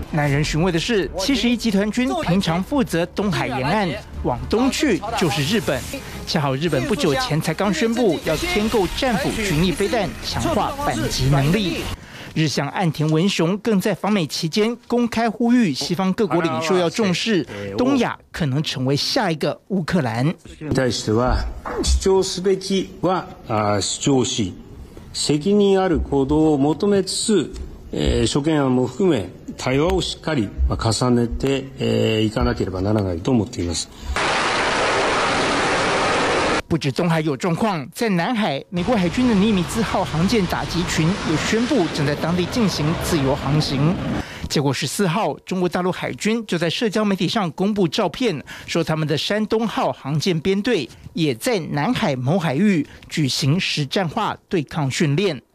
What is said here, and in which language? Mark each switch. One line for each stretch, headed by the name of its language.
Chinese: 耐人寻味的是，71集团军平常负责东海沿岸，往东去就是日本。恰好日本不久前才刚宣布要添购战斧巡弋飞弹，强化反击能力。日向岸田文雄更在访美期间公开呼吁西方各国领袖要重视东亚可能成为下一个乌克兰。
Japanese: 対しては主張すべきは主張し、責任ある行動を求めつつ、諸懸案も含め対話をしっかり重ねていかなければならないと思っています。
Chinese: 不止东海有状况，在南海，美国海军的尼米兹号航舰打击群也宣布正在当地进行自由航行。结果14号，中国大陆海军就在社交媒体上公布照片，说他们的山东号航舰编队也在南海某海域举行实战化对抗训练。